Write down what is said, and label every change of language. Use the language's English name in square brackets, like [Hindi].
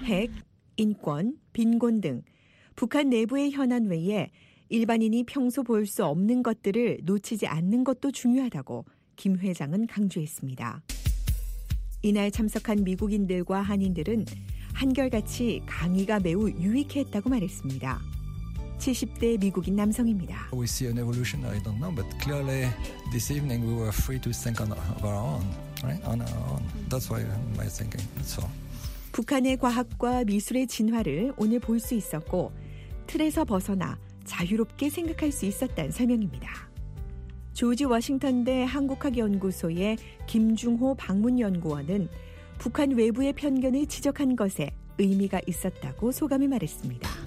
[Korean] 핵, 인권, 빈곤 등 북한 내부의 현안 외에 일반인이 평소 볼 수 없는 것들을 놓치지 않는 것도 중요하다고 김 회장은 강조했습니다. 이날 참석한 미국인들과 한인들은 한결같이 강의가 매우 유익했다고 말했습니다. 70대 미국인 남성입니다. [English] We see an evolution, I don't know, but clearly this evening we were free to think on our own, right? On our own. That's why my thinking. So. [Korean] 북한의 과학과 미술의 진화를 오늘 볼 수 있었고 틀에서 벗어나 자유롭게 생각할 수 있었다는 설명입니다. 조지 워싱턴 대 한국학연구소의 김중호 방문연구원은 북한 외부의 편견을 지적한 것에 의미가 있었다고 소감을 말했습니다.